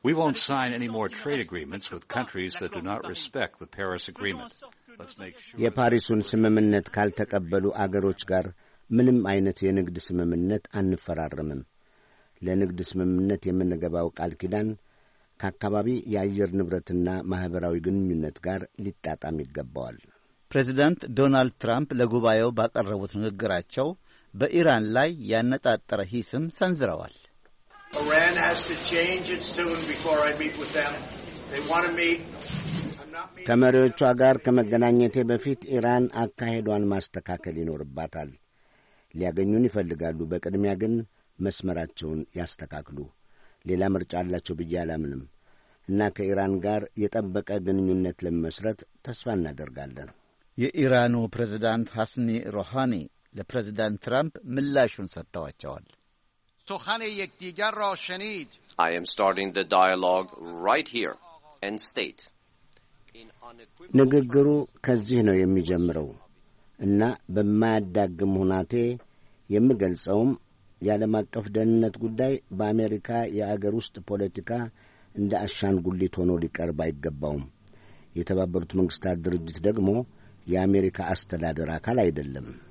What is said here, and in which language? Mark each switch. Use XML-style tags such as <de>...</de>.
<en>We won't sign any more trade agreements with countries that do not respect the Paris Agreement.</en> <am>የፓሪሱን ስምምነት ካልተቀበሉ አገሮች ጋር ምንም አይነት የንግድ ስምምነት አንፈራረምም። ለንግድ ስምምነት የምንገባው ቃል ኪዳን ከአካባቢ የአየር ንብረትና ማህበራዊ ግንኙነት ጋር ሊጣጣም ይገባዋል። ፕሬዚዳንት ዶናልድ ትራምፕ ለጉባኤው ባቀረቡት ንግግራቸው በኢራን ላይ ያነጣጠረ ሂስም ሰንዝረዋል።</am> <en>Iran has to change its tune before I meet with them. They want to meet.</en> <am>ከመሪዎቹ ጋር ከመገናኘቴ በፊት ኢራን አካሄዷን ማስተካከል ይኖርባታል። ሊያገኙን ይፈልጋሉ። በቅድሚያ ግን መስመራቸውን ያስተካክሉ። ሌላ ምርጫ አላቸው ብዬ አላምንም። እና ከኢራን ጋር የተጠበቀ ግንኙነት ለመመስረት ተስፋ እናደርጋለን። የኢራኑ ፕሬዝዳንት ሐስኒ ሮሃኒ ለፕሬዝዳንት ትራምፕ ምላሹን ሰጥተዋቸዋል። ሶሃኒ የክዲጋ ሮሸኒድ</am> <en>I am starting the dialogue right here and state</en> <am>ንግግሩ ከዚህ ነው የሚጀምረው እና በማያዳግም ሁናቴ የምገልጸውም ያለም አቀፍ ደህንነት ጉዳይ በአሜሪካ የአገር ውስጥ ፖለቲካ እንደ አሻንጉሊት ሆኖ ሊቀርብ አይገባውም። የተባበሩት መንግስታት ድርጅት ደግሞ የአሜሪካ አስተዳደር አካል አይደለም።</am>